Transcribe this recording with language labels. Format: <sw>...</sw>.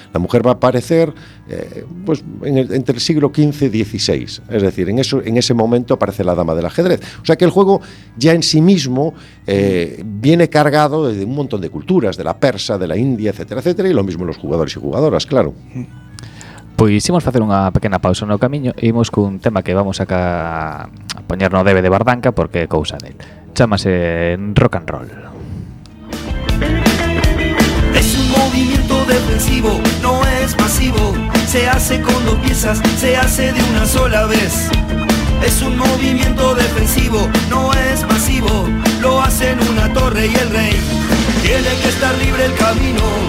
<es>La mujer va a aparecer entre el siglo XV y XVI, es decir, en ese momento aparece la dama del ajedrez. O sea que el juego ya en sí mismo viene cargado de un montón de culturas, de la persa, de la India, etcétera, etcétera, y lo mismo los jugadores y jugadoras, claro.</es> <gl>Pois imos facer unha pequena pausa no camiño e imos cun tema que vamos acá a poñer no debe de Bardanca porque é cousa del. Chámase Rock and Roll.</gl> <es>Es un movimiento defensivo, no es pasivo. Se hace con dos piezas, se hace de una sola vez. Es un movimiento defensivo, no es pasivo. Lo hacen una torre y el rey. Tiene que estar libre el camino.</es>